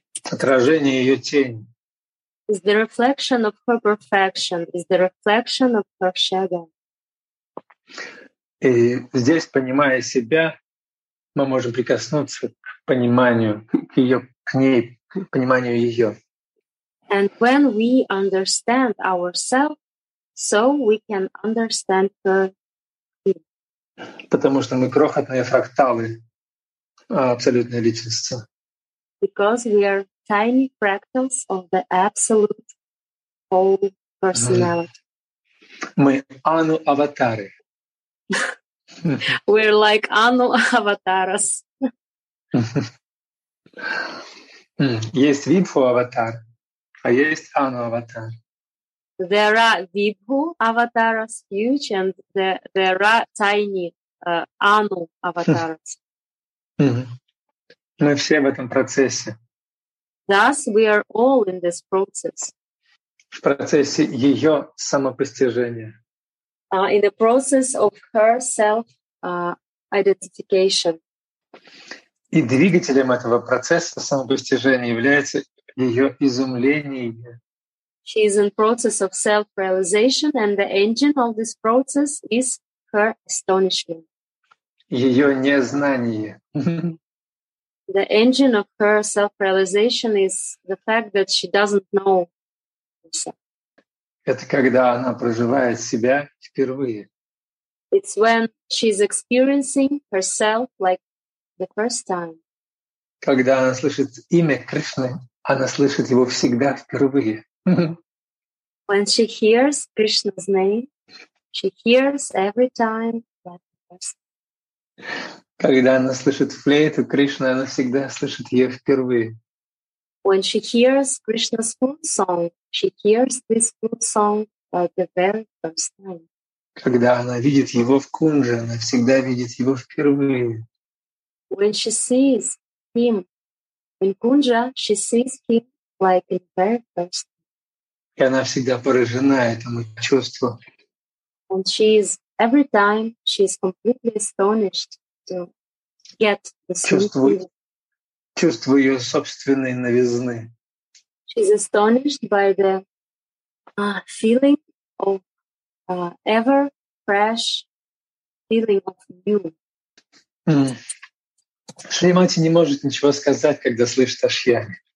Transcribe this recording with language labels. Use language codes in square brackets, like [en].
[ru] Отражение ее тени. [en] Is the reflection of her perfection. Is the reflection of her shadow. [ru] И здесь, понимая себя, мы можем прикоснуться к пониманию к ее, к ней, к пониманию ее. [en] And when we understand ourselves, so we can understand her. [ru] Потому что мы крохотные фракталы абсолютной личности. [en] Because we are tiny fractals of the absolute whole personality. [ru] Мы Ану аватары. [en] We're like Ану аватарас. [ru] Есть Вибху аватар, а есть Ану аватар. [en] There are Vibhu avatars, huge, and there are tiny Anu avatars. [ru] Мы все в этом процессе. [en] Thus, we are all in this process. [ru] В процессе ее самопостижения. [en] In the process of her self-identification. [ru] И двигателем этого процесса самопостижения является ее изумление. [en] She is in process of self-realization, and the engine of this process is her astonishment. [ru] Ее незнание. [en] The engine of her self-realization is the fact that she doesn't know herself. [ru] Это когда она проживает себя впервые. [en] It's when she's experiencing herself like the first time. [ru] Когда она слышит имя Кришны, она слышит его всегда впервые. [en] When she hears Krishna's name, she hears every time that first. [ru] Когда она слышит флейту Кришны, она всегда слышит ее впервые. [en] When she hears Krishna's flute song, She hears this flute song for the very first time. [ru] Когда она видит его в кунже, она всегда видит его впервые. [en] When she sees him in kunja, she sees him like in very first time. [ru] И она всегда поражена этому чувству. [en] And she is every time she is completely astonished to get the sweet [ru] чувство ее собственной новизны. [en] She's astonished by the feeling of ever fresh feeling of new. [ru] Шримати не может ничего сказать, когда слышит Ашьяк.